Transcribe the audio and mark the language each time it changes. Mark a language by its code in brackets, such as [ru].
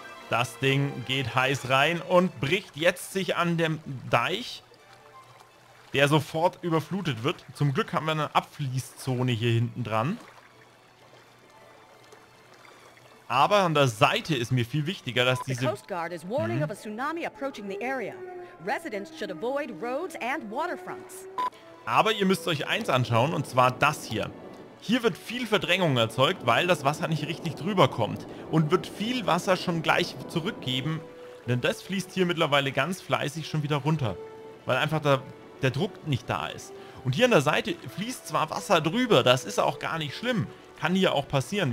[de] Das Ding geht heiß rein und bricht jetzt sich an dem Deich, der sofort überflutet wird. Zum Glück haben wir eine Abfließzone hier hinten dran. Aber an der Seite ist mir viel wichtiger, dass diese... [en] The Coast Guard is warning of a tsunami approaching the area. Residents should avoid roads and waterfronts. [de] Aber ihr müsst euch eins anschauen, und zwar das hier. Hier wird viel Verdrängung erzeugt, weil das Wasser nicht richtig drüber kommt. Und wird viel Wasser schon gleich zurückgeben, denn das fließt hier mittlerweile ganz fleißig schon wieder runter. Weil einfach der Druck nicht da ist. Und hier an der Seite fließt zwar Wasser drüber, das ist auch gar nicht schlimm. Kann hier auch passieren.